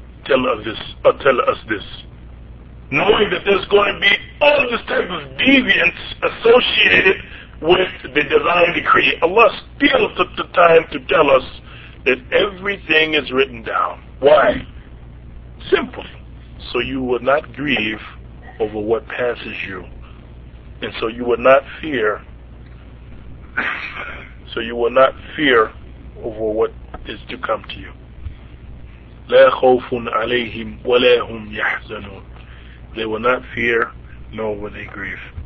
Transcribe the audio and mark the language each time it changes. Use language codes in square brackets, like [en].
[en] tell us this. Knowing that there's going to be all this type of deviance associated with the divine decree, Allah still took the time to tell us that everything is written down. Why? Simple. So you will not grieve over what passes you. And so you will not fear. So you will not fear over what is to come to you. [ar] لا خوف عليهم ولا هم يحزنون. [en] They will not fear, nor will they grieve.